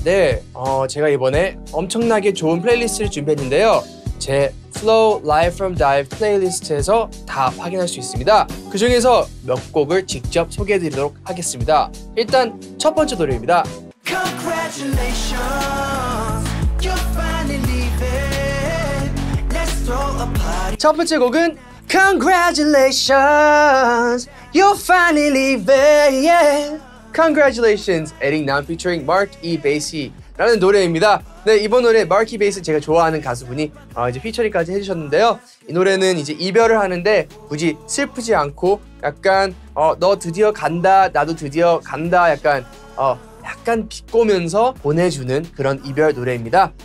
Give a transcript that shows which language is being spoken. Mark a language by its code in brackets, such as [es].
[ko] 네, 제가 이번에 엄청나게 좋은 플레이리스트를 준비했는데요. 제 Flow Live From Dive 플레이리스트에서 다 확인할 수 있습니다. 그 중에서 몇 곡을 직접 소개해드리도록 하겠습니다. 일단 첫 번째 노래입니다. [en] Congratulations, you're finally leaving. Let's throw a party. [ko] 첫 번째 곡은 [en] Congratulations, you're finally leaving. Yeah. [ko] Congratulations, 에릭남 featuring Mark E. Basie 라는 노래입니다. 네, 이번 노래 마키 베이스 제가 좋아하는 가수분이 이제 피처링까지 해주셨는데요. 이 노래는 이제 이별을 하는데 굳이 슬프지 않고 약간 너 드디어 간다, 나도 드디어 간다, 약간 약간 비꼬면서 보내주는 그런 이별 노래입니다.